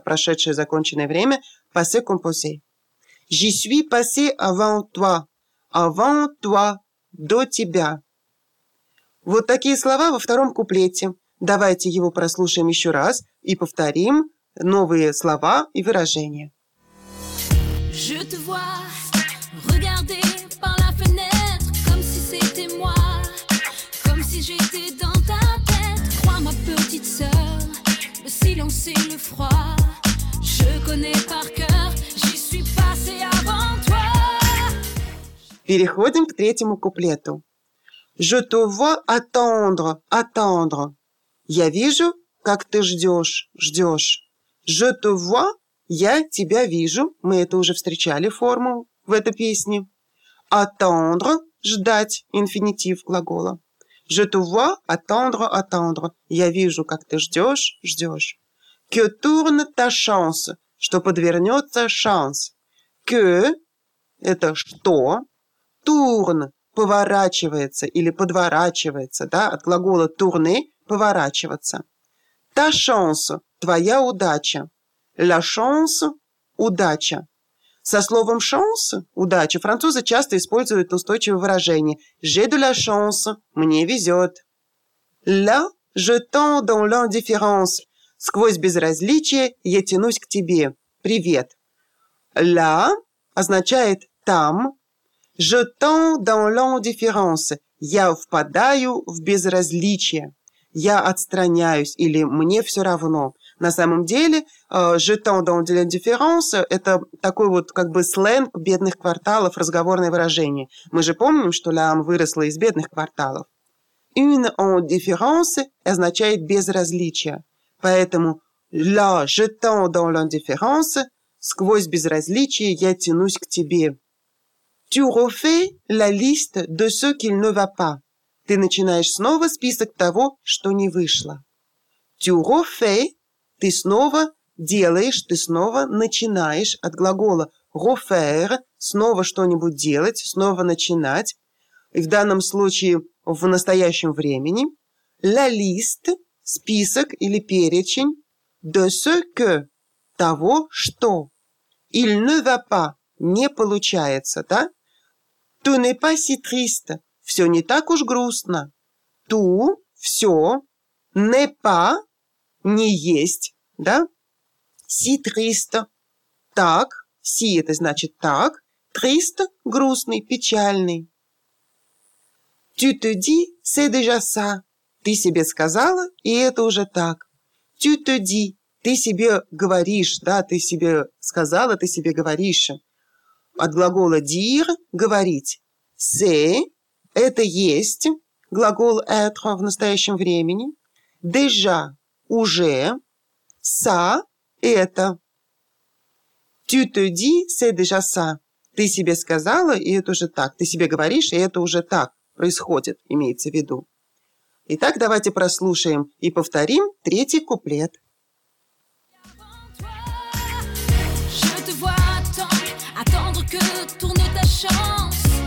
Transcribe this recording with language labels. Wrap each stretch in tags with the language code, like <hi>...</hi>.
<ru>Прошедшее, законченное время.</ru> <fr>Passé composé». «Je suis passé avant toi». «Avant toi»</fr> <ru>– «до тебя». Вот такие слова во втором куплете. Давайте его прослушаем еще раз и повторим новые слова и выражения.</ru> <fr>Je te vois regarder par la fenêtre comme si c'était moi, comme si j'étais dans ta tête. Crois ma petite sœur, le silence et le froid, je connais par cœur, j'y suis passée avant toi.</fr> <ru>Переходим к третьему куплету.</ru> <fr>Je te vois attendre, attendre.</fr> <ru>Я вижу, как ты ждешь, ждешь.</ru> <fr>Je te vois,</fr> <ru>я тебя вижу. Мы это уже встречали форму в этой песне. Attendre, ждать, инфинитив глагола.</ru> <fr>Je te vois attendre, attendre.</fr> <ru>Я вижу, как ты ждешь, ждешь.</ru> <fr>Que tourne ta chance,</fr> <ru>что подвернется шанс. Que, это что. Tourne, поворачивается или подворачивается, да, от глагола tourner, поворачиваться.</ru> <fr>Ta chance,</fr> <ru>твоя удача. La chance, удача. Со словом chance, удача, французы часто используют устойчивое выражение.</ru> <fr>J'ai de la chance,</fr> <ru>мне везет.</ru> <fr>Là, je tends dans l'indifférence.</fr> <ru>Сквозь безразличие я тянусь к тебе. Привет. Là означает там.</ru> <fr>Je tends dans l'indifférence.</fr> <ru>Я впадаю в безразличие. Я отстраняюсь или мне все равно. На самом деле,</ru> <fr>je tends dans l'indifférence</fr> <ru>– это такой вот как бы сленг бедных кварталов, разговорное выражение. Мы же помним, что l'âme выросла из бедных кварталов.</ru> <fr>Une indifférence</fr> <ru>означает безразличие. Поэтому</ru> <fr>là, je tends dans l'indifférence</fr> <ru>– сквозь безразличие я тянусь к тебе.</ru> <fr>Tu refais la liste de ce qu'il ne va pas.</fr> <ru>Ты начинаешь снова список того, что не вышло.</ru> <fr>Tu refais,</fr> <ru>ты снова делаешь, ты снова начинаешь от глагола refaire, снова что-нибудь делать, снова начинать. И в данном случае в настоящем времени.</ru> <fr>La liste,</fr> <ru>список или перечень,</ru> <fr>de ce que,</fr> <ru>того, что.</ru> <fr>Il ne va pas,</fr> <ru>не получается, да?</ru> <fr>Tu n'es pas si triste.</fr> <ru>Все не так уж грустно. Ту, все, не па, не есть, да? Си триста, так, си это значит так, триста, грустный, печальный.</ru> <fr>Tu te dis, c'est déjà ça.</fr> <ru>Ты себе сказала, и это уже так.</ru> <fr>Tu te dis,</fr> <ru>ты себе говоришь, да, ты себе сказала, ты себе говоришь. От глагола dire, говорить. C'est, это есть, глагол être в настоящем времени. Déjà, уже. Ça, это.</ru> <fr>Tu te dis, c'est déjà ça.</fr> <ru>Ты себе сказала, и это уже так. Ты себе говоришь, и это уже так происходит, имеется в виду. Итак, давайте прослушаем и повторим третий куплет.</ru> <fr>Je te vois attendre, attendre que tourne ta chance.</fr>